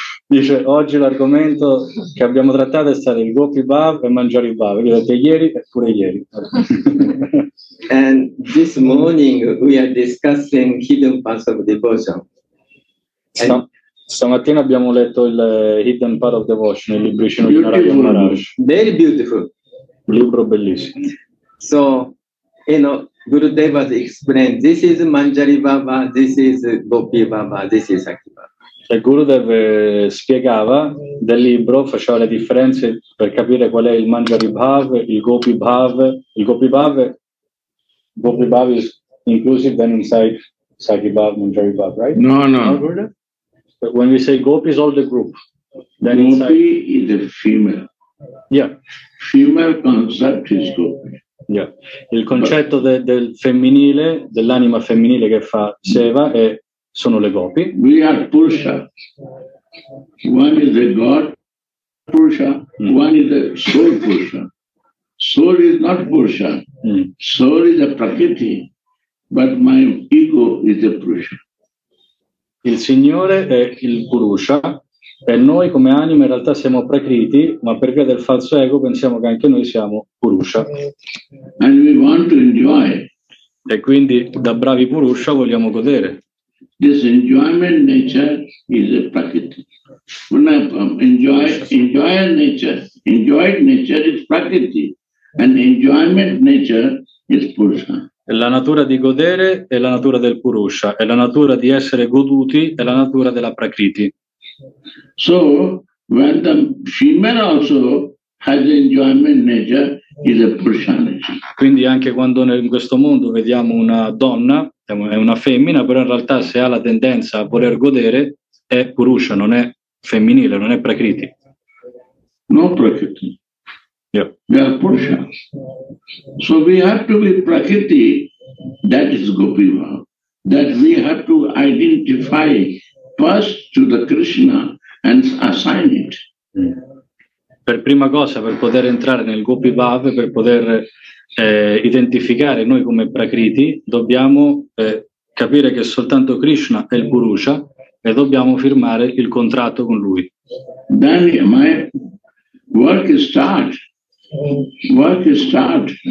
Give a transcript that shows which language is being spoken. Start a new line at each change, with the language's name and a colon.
Italian: Dice, oggi l'argomento che abbiamo trattato è stato il Gopi Bhav e Manjari Bhav. Vi ho detto ieri e pure ieri.
English: And this morning we are discussing hidden parts of devotion.
Italian: Stamattina abbiamo letto il Hidden Part of Devotion, il libricino di Narayana
English: Maharaj. Very beautiful.
Italian: Un libro bellissimo.
English: So, you know, Gurudev has explained, this is Manjari Bhava, this is Gopi Bhava, this is Akhi Bhava.
Italian: E Gurudev spiegava del libro, faceva le differenze per capire qual è il Manjari Bhav, il Gopi Bhav.
English: Il Gopi Bhav, Gopi Bhav is inclusive then inside Sakhi Bhav, Manjari Bhav, right? No, no. But when we say Gopi is all the group. Then Gopi inside is the female. Yeah. Female concept is Gopi. Yeah.
Italian: Il concetto del femminile, dell'anima femminile che fa Seva è... sono le gopi.
English: We are Purusha. One is a God Purusha, one is a soul Purusha. Soul is not Purusha. Soul is a Prakriti, but my ego is a Purusha.
Italian: Il Signore è il Purusha e noi come anime in realtà siamo Prakriti, ma per via del falso ego pensiamo che anche noi siamo Purusha.
English: And we want to enjoy.
Italian: E quindi da bravi Purusha vogliamo godere.
English: This enjoyment nature is a prakriti. When I enjoyed nature is prakriti, and enjoyment nature is purusha.
Italian: La natura di godere è la natura del purusha, e la natura di essere goduti è la natura della prakriti.
English: So when the female also has enjoyment nature is a purusha nature.
Italian: Quindi anche quando in questo mondo vediamo una donna, è una femmina, però in realtà se ha la tendenza a voler godere è purusha, non è femminile, non è prakriti.
English: No prakriti. Yeah. We are purusha. So we have to be prakriti, that is Gopiva. That we have to identify first to the Krishna and assign it.
Italian: Per prima cosa, per poter entrare nel Gopi Bhav, per poter identificare noi come Prakriti, dobbiamo capire che soltanto Krishna è il Purusha e dobbiamo firmare il contratto con lui.
English: Then my work is start. Work is start.